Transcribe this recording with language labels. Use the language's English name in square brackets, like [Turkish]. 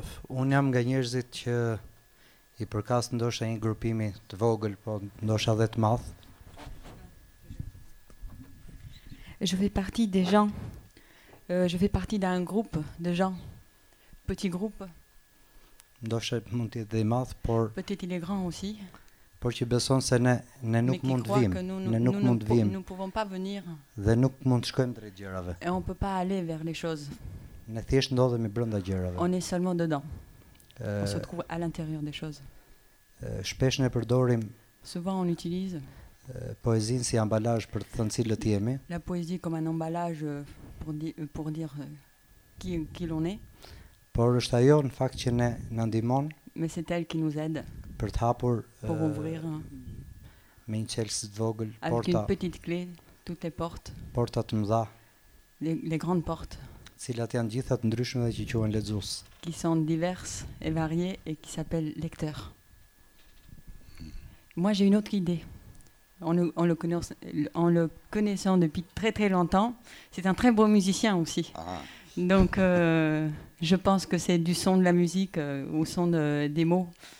[Albanian] Unë jam nga njerëzit që i përkas ndoshta një grupimi të vogël, po ndoshta edhe të madh. [French] Je fais partie des gens. Je fais partie d'un groupe de gens. Petit groupe. [Albanian] Ndoshta mund të jetë dhe i madh, por [French] peut-être il est grand aussi. [Albanian] Por që beson se ne nuk mund të vim, ne nuk mund të vim. [French] Nous pouvons pas venir. [Albanian] Dhe nuk mund të shkojmë drejt gjërave. [French] Et on peut pas aller vers les choses. [Albanian] Ne thjesht ndodhemi brenda gjërave. [French] On est seulement dedans. On se trouve à l'intérieur des choses. [Albanian] Shpesh ne përdorim. [French] Souvent on utilise. [Albanian] Poezinë si ambalazh për të thënë cilët jemi. [French] La poésie comme un emballage pour dire qui l'on est. [Albanian] Por është ajo në fakt që ne ndihmon. [French] Mais c'est elle qui nous aide. [Albanian] Për të hapur [French] pour ouvrir [Albanian] me një çelës të vogël porta. [French] Avec une petite clé toutes les portes. [Albanian] Porta të mëdha. [French] Les grandes portes. [Albanian] Cilat janë gjithë të ndryshme dhe që quhen lexues. [French] Qui sont diverses et variées et qui s'appellent lecteurs. Moi j'ai une autre idée. En le connaissant depuis très très longtemps, c'est un très beau musicien aussi. Donc je pense que c'est du son de la musique au son des mots.